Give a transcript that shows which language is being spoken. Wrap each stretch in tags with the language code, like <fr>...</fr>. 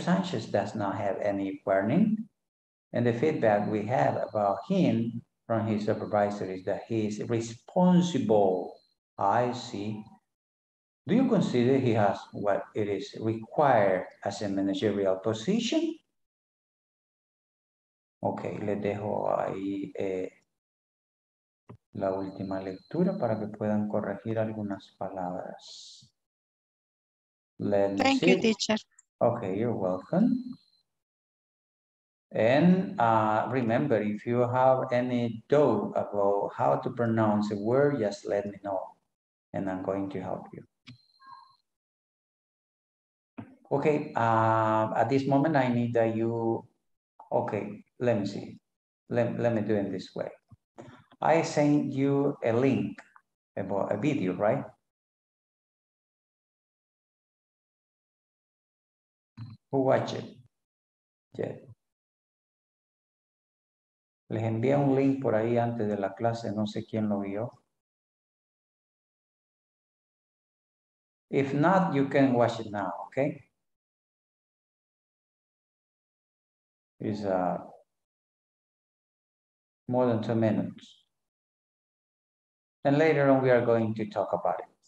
<en>Sanchez does not have any warning, and the feedback we have about him from his supervisor is that he is responsible. I see. Do you consider he has what it is required as a managerial position?</en> <es>Okay, les dejo ahí la última lectura para que puedan corregir algunas palabras.</es> <en>Thank you, teacher. Okay, you're welcome. And remember, if you have any doubt about how to pronounce a word, just let me know and I'm going to help you. Okay, at this moment I need that you, okay, let me see. Let me do it this way. I sent you a link about a video, right? Who watched it? Yeah.</en> <es>Les envié un link por ahí antes de la clase, no sé quién lo vio.</es> <en>If not, you can watch it now, okay? Is more than 2 minutes. And later on, we are going to talk about it.</en>